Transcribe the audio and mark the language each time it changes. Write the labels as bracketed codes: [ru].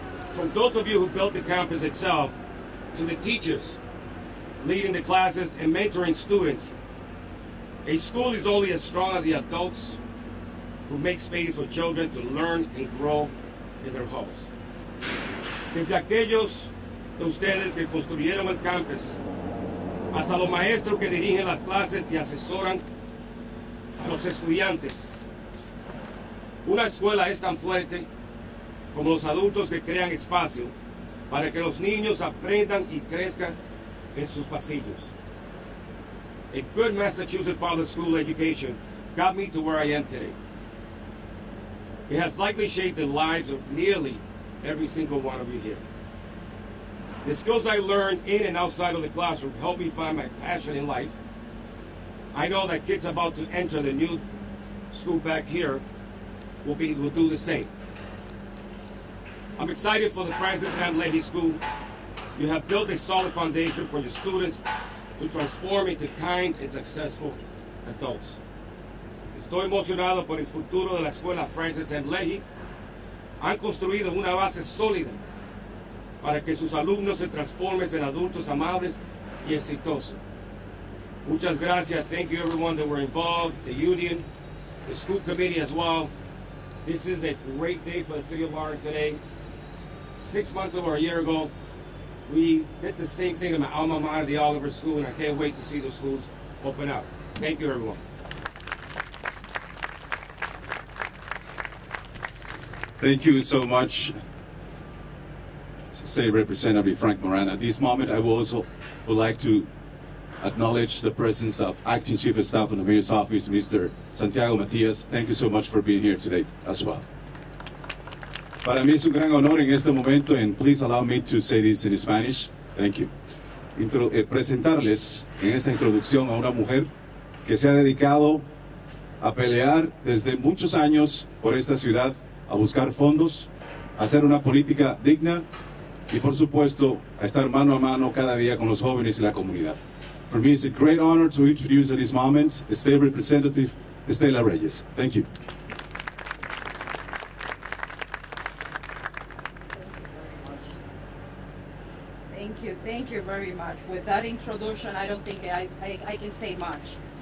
[en] From those of you who built the campus itself to the teachers leading the classes and mentoring students, a school is only as strong as the adults who make space for children to learn and grow in their homes. [es] Desde aquellos de ustedes que construyeron el campus, hasta los maestros que dirigen las clases y asesoran a los estudiantes, una escuela es tan fuerte como los adultos que crean espacio para que los niños aprendan y crezcan en sus pasillos. [en] A good Massachusetts public school education got me to where I am today. It has likely shaped the lives of nearly every single one of you here. The skills I learned in and outside of the classroom helped me find my passion in life. I know that kids about to enter the new school back here will do the same. I'm excited for the Francis M. Leahy School. You have built a solid foundation for your students to transform into kind and successful adults. [es] Estoy emocionado por el futuro de la escuela Francis M. Leahy. Han construido una base sólida para que sus alumnos se transformen en adultos amables y exitosos. Muchas gracias. [en] Thank you everyone that were involved, the union, the school committee as well. This is a great day for the city of Lawrence today. 6 months over a year ago, we did the same thing in my alma mater, the Oliver School, and I can't wait to see those schools open up. Thank you, everyone. Thank you so much, State Representative Frank Moran. At this moment, I also would like to acknowledge the presence of Acting Chief of Staff in the Mayor's Office, Mr. Santiago Matias. Thank you so much for being here today as well. [es] Para mí es un gran honor en este momento, [en] and please allow me to say this in Spanish. Thank you. [es] Presentarles en esta introducción a una mujer que se ha dedicado a pelear desde muchos años por esta ciudad, a buscar fondos, a hacer una política digna y, por supuesto, a estar mano a mano cada día con los jóvenes y la comunidad. [en] For me, it's a great honor to introduce at this moment State Representative Estela Reyes. Thank you. Thank you very much. With that introduction, I don't think I can say much.